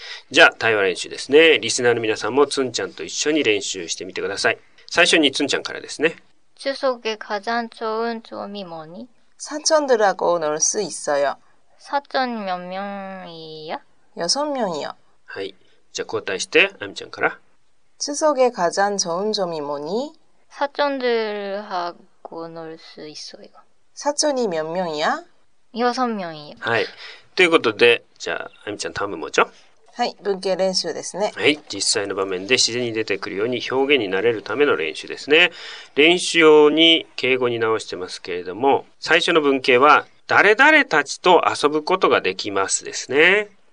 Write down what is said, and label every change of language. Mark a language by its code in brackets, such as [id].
[ja] じゃあ、対話練習ですね。リスナーの皆さんも、つんちゃんと一緒に練習してみてください。最初につんちゃんからですね。 [ko] 추석에가장좋은조미뭐니 사촌들하고놀수있어요。 사촌몇명이야 여섯명이요。 [ja] はい。じゃあ交代して、あみちゃんから。 [ko] 추석에 가장 좋은 점이 뭐니? 사촌들하고 놀 수 있어요. 사촌이 몇 명이야? 여섯 명이요. [ja] はい。ということで、じゃあ、あみちゃん、タムもちょ。はい、文型練習ですね。はい、実際の場面で自然に出てくるように表現になれるための練習ですね。練習用に敬語に直してますけれども、最初の文型は、誰々たちと遊ぶことができますですね。